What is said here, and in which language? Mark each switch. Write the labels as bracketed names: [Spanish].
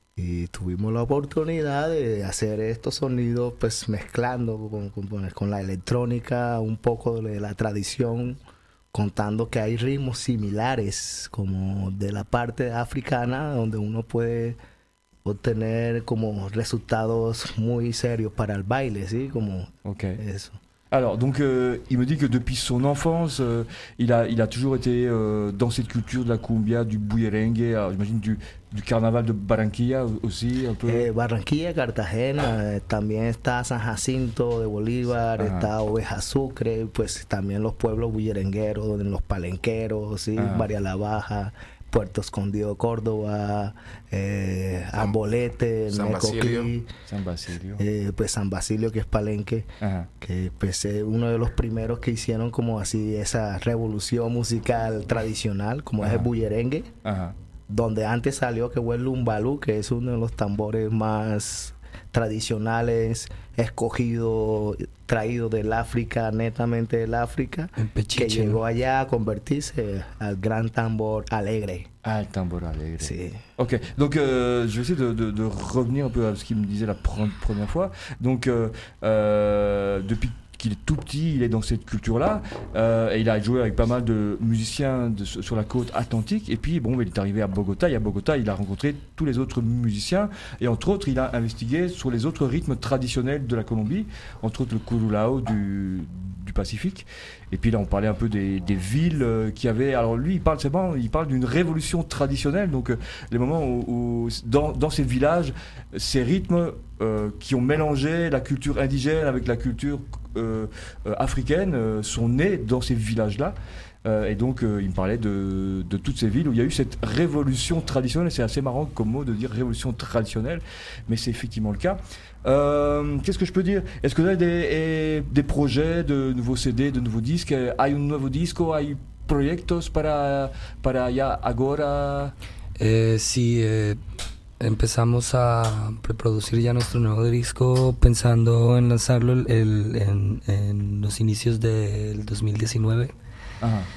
[Spanish] Y tuvimos la oportunidad de hacer estos sonidos, pues mezclando con la electrónica, un poco de la tradición, contando que hay ritmos similares, como de la parte africana, donde uno puede obtener como resultados muy serios para el baile, ¿sí? Como okay. Eso. [French] Alors, donc, il me dit que depuis son enfance, il a toujours été dans cette culture de la cumbia, du bullerengue, j'imagine du carnaval de Barranquilla aussi, un peu. [Spanish] Barranquilla, Cartagena, también está San Jacinto de Bolívar, uh-huh. Está Oveja Sucre, pues también los pueblos bullerengueros, los palenqueros, ¿sí? Uh-huh. María La Baja, Puerto Escondido, Córdoba, Ambolete, Necoclí, San Basilio, pues San Basilio, que es palenque, ajá. Que pues es uno de los primeros que hicieron como así esa revolución musical tradicional, como ajá. Es el bullerengue, ajá. Donde antes salió que fue el lumbalú, que es uno de los tambores más tradicionales, escogido, traído del África, netamente del África, que llegó allá a convertirse al gran tambor alegre. Ah, el tambor alegre. Sí. [French] Ok, donc je vais essayer de revenir un peu à ce qu'il me disait la première fois. Donc, depuis qu'il est tout petit, il est dans cette culture-là, et il a joué avec pas mal de musiciens sur la côte atlantique, et puis bon, il est arrivé à Bogota, et à Bogota, il a rencontré tous les autres musiciens, et entre autres, il a investigué sur les autres rythmes traditionnels de la Colombie, entre autres le curulao du Pacifique, et puis là, on parlait un peu des villes qui avaient, alors lui, il parle d'une révolution traditionnelle, donc les moments où dans ces villages, ces rythmes qui ont mélangé la culture indigène avec la culture africaine sont nés dans ces villages-là. Et donc, il me parlait de toutes ces villes où il y a eu cette révolution traditionnelle. C'est assez marrant comme mot de dire révolution traditionnelle, mais c'est effectivement le cas. Qu'est-ce que je peux dire? Est-ce que vous avez des projets de nouveaux CD, de nouveaux disques? [Spanish] Hay un nuevo disco? Hay proyectos para ya ahora? Sí, empezamos a preproducir ya nuestro nuevo disco pensando en lanzarlo en los inicios del 2019. Ajá.